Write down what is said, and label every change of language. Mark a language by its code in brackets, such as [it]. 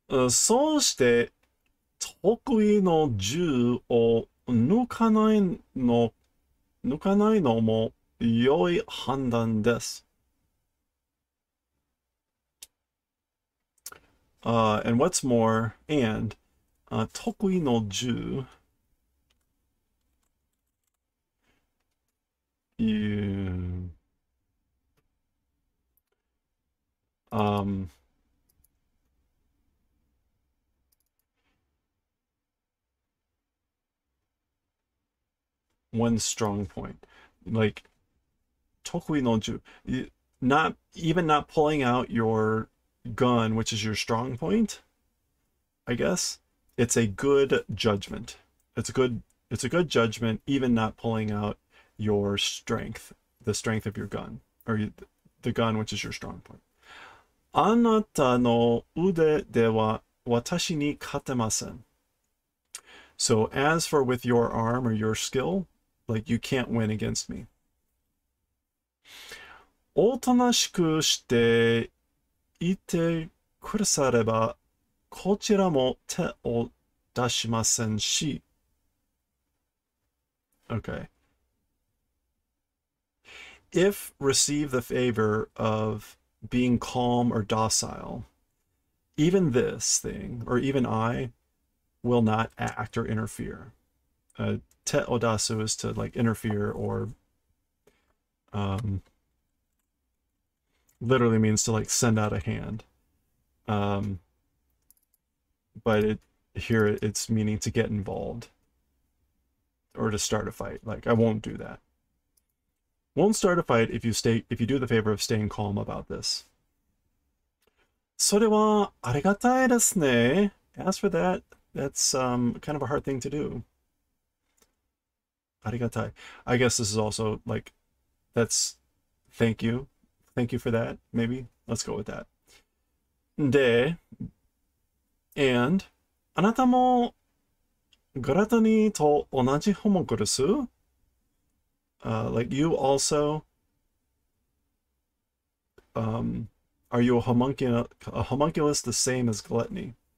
[ja] そして得意の銃を抜かないのも良い判断です。 [en] And what's more, and [ja] 得意の銃 [en] one strong point, like 得意の銃, not even not pulling out your gun, which is your strong point, I guess it's a good judgment. It's a good judgment, even not pulling out your strength, the strength of your gun, or the gun which is your strong point. [ja] あなたの腕では私に勝てません。 [en] So as for with your arm or your skill, like you can't win against me. [ja] おとなしくしていてくだされば、こちらも手を出しませんし。 [en] Okay. If receive the favor of being calm or docile, even this thing, or even I, will not act or interfere. Te odasu is to like interfere or literally means to like send out a hand. But it, here it's meaning to get involved or to start a fight. Like, I won't do that. Won't start a fight if you stay, if you do the favor of staying calm about this. [ja] それはありがたいですね。 [en] As for that, that's kind of a hard thing to do. [ja] ありがたい. [en] I guess this is also like, that's thank you. Thank you for that, maybe. Let's go with that. [ja] で, [en] and, [ja] あなたもグラタニーと同じホモクルス? [en] Like you also, are you a homunculus the same as gluttony?